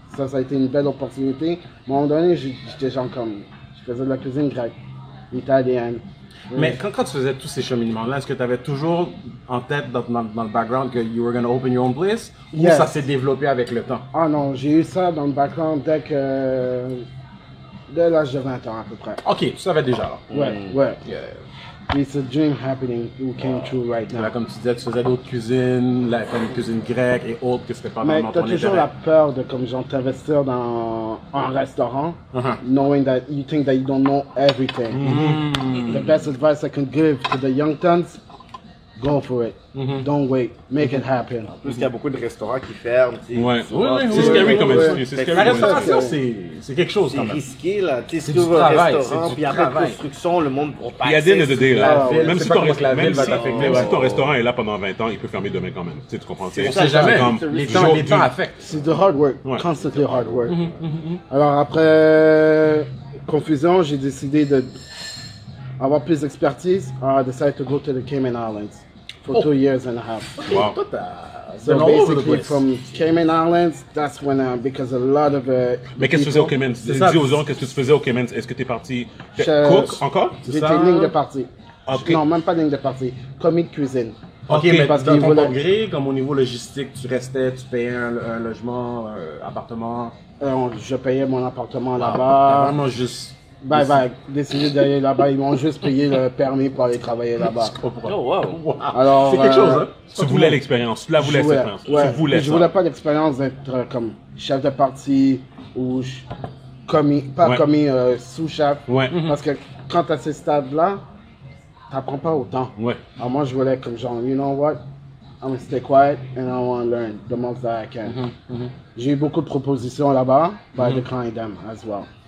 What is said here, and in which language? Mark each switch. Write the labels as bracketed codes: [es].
[fr] Ça a été une belle opportunité. À un moment donné, j'étais genre comme... Je faisais de la cuisine grecque, italienne, Mais quand tu faisais tous ces cheminements-là, est-ce que tu avais toujours en tête dans le background que [en] you were going to open your own place? [fr] Ou yes. Ça s'est développé avec le temps? Ah non, j'ai eu ça dans le background dès que... dès l'âge de 20 ans à peu près. Ok, tu savais déjà. Ouais. Yeah. [en] It's a dream happening who came true right now. [fr] Là, comme tu disais, tu faisais d'autres cuisines, la cuisine grecque et autres que c'était pas vraiment ton intérêt. Mais t'as toujours la peur de comme genre t'investir dans un restaurant, [en] knowing that you think that you don't know everything. The best advice I can give to the young tons, go for it. Don't wait. Make it happen. [fr] En plus, il y a beaucoup de restaurants qui ferment. C'est scary comme industrie. La restauration, c'est quelque chose quand même. C'est risqué, là. C'est du travail. Puis après la construction, le monde va passer. Il y a des nœuds de deal. Même si ton restaurant est là pendant 20 ans, il peut fermer demain quand même. Tu comprends? On sait jamais. Les temps affectent. C'est du [en] hard work. Constantly hard work. [fr] Alors après confusion, j'ai décidé de avoir plus d'expertise. [en] I decided to go to the Cayman Islands. For 2 years and a half. Wow. So basically from Cayman Islands, that's when because a lot of [fr] Mais qu'est-ce que tu faisais au Cayman? Dis aux gens qu'est-ce que tu faisais au Cayman. Est-ce que tu es parti cook encore? J'étais ligne de partie. Okay. Non, même pas ligne de partie. Commis de cuisine. Ok, okay mais dans ton congré, comme au niveau logistique, tu restais, tu payais un logement, un appartement? Je payais mon appartement là-bas. Vraiment juste... [en] Bye. [fr] Décidé d'aller là-bas, ils m'ont juste payé le permis pour aller travailler là-bas. Oh wow! Alors, c'est quelque chose, hein? Tu voulais l'expérience, tu la voulais cette expérience. Ouais. Tu voulais ça. Je voulais pas l'expérience d'être comme chef de partie ou commis, pas commis, sous-chef. Ouais. Parce que quand t'as ces stades-là, t'apprends pas autant. Ouais. Alors moi je voulais comme genre, [en] you know what? I'm gonna stay quiet and I want to learn the most that I can. [fr] J'ai eu beaucoup de propositions là-bas, [en] but I declined them as well.